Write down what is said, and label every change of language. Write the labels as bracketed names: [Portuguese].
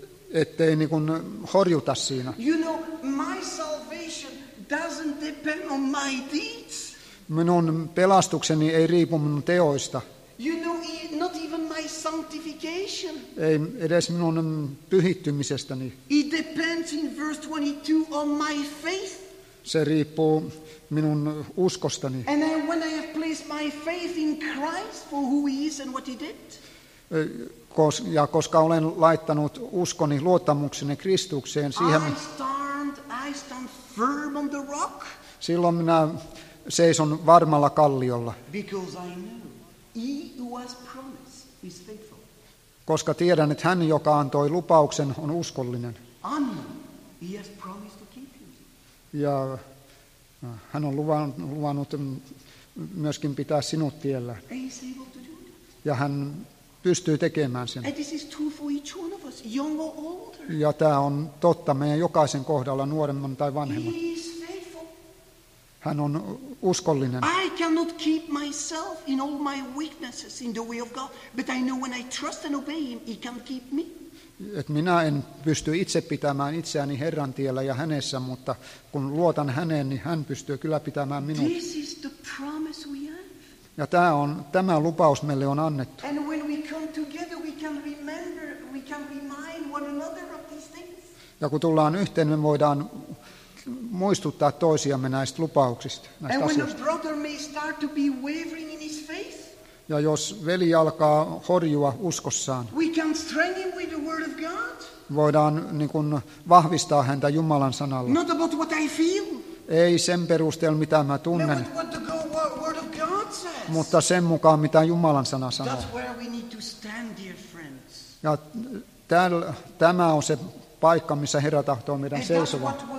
[Finnish] Ettei niin kuin horjuta siinä. [English] You know, my salvation doesn't depend on my deeds. [Finnish] Minun pelastukseni ei riipu minun teoista. [English] You know, not even my sanctification. [Finnish] Ei edes minun pyhittymisestäni. [English] It depends in verse 22 on my faith. [Finnish] Se riippuu minun uskostani. [English] And then when I have placed my faith in Christ for who he is and what he did. [Finnish] Ja koska olen laittanut uskoni luottamukseni Kristukseen, siihen [English] I stand firm on the rock. [Finnish] Silloin minä seison varmalla kalliolla. [English] Because I know. He who has promised is faithful. [Finnish] Koska tiedän, että hän, joka antoi lupauksen, on uskollinen. [English] He has promised to keep you. [Finnish] Ja hän on luvannut myöskin pitää sinut tiellä. [English] And he's able to do that. [Finnish] Ja hän pystyy tekemään sen. [English] And this is true for each one of us, young or older. [Finnish] Ja tämä on totta meidän jokaisen kohdalla, nuoremman tai vanhemman. [English] He is faithful. [Finnish] Hän on uskollinen. [English] I cannot keep myself in all my weaknesses in the way of God, but I know when I trust and obey him, he can keep me. [Finnish] Et minä en pysty itse pitämään itseäni Herran tiellä ja hänessä, mutta kun luotan häneen, niin hän pystyy kyllä pitämään minut. [English] This is the promise we have. [Finnish] Ja tämä lupaus meille on annettu. [English] And when we come together, we can remind one another of these things. [Finnish] Ja kun tullaan yhteen, me voidaan muistuttaa toisiamme näistä lupauksista, näistä [English] and [Finnish] asioista. [English] When a brother may start to be wavering in his faith, [Finnish] ja jos veli alkaa horjua uskossaan, [English] we can strengthen him with the word of God. [Finnish] Voidaan niin kuin vahvistaa häntä Jumalan sanalla. [English] Not about what I feel. [Finnish] Ei sen perusteella, mitä mä tunnen. [English] No, but what the word of God says. [Finnish] Mutta sen mukaan, mitä Jumalan sana sanoo. [English] That's where we need to stand, dear friends. [Finnish] Ja tämä on se paikka, missä Herra tahtoo meidän seisovan.